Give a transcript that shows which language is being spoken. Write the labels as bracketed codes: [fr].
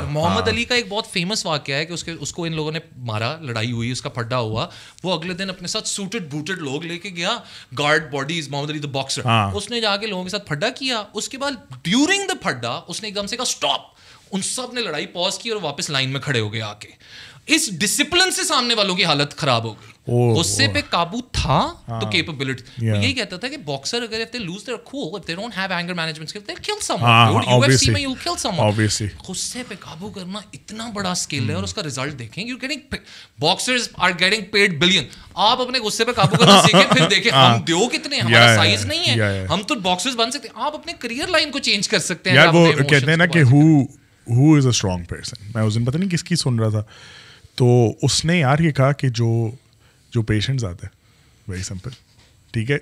[ur] محمد علی کا ایک بہت فیمس واقعہ ہے کہ اس کو ان لوگوں نے مارا, لڑائی ہوئی, اس کا پھڈا ہوا, وہ اگلے دن اپنے ساتھ سوٹڈ بوٹڈ لوگ لے کے گیا, گارڈ باڈیز, محمد علی دا باکسر, اس نے جا کے لوگوں کے ساتھ پھڈا کیا. اس کے بعد ڈیورنگ دا پھڈا اس نے ایک دم سے کہا اسٹاپ, ان سب نے لڑائی پاز کی اور واپس لائن میں کھڑے ہو گئے آ کے. اس ڈسپلن سے سامنے والوں کی حالت خراب ہو گئی. غصے پہ قابو تھا تو کیپبلٹی. یہی کہتا تھا کہ [en] Boxer اگر if they lose their cool, if they don't have anger management skills, they will kill someone. U F C میں you kill someone. [ur] غصے پہ قابو کرنا اتنا بڑا سکل ہے اور اس کا ریزلٹ دیکھیں. [en] You are getting, boxers are getting paid billion. [ur] آپ اپنے غصے پہ قابو کرنا سیکھیں, پھر دیکھیں ہم دیو کتنے, ہمارا سائز نہیں ہے, ہم تو باکسرز بن سکتے ہیں. آپ اپنے کریئر لائن کو چینج کر سکتے ہیں. وہ کہتے ہیں نا کہ [en] who is a strong person. [ur] میں اس دن پتہ نہیں کس کی سن رہا تھا, تو اس نے یار یہ کہا کہ جو پیشنٹس آتے ہیں, ویری سمپل, ٹھیک ہے.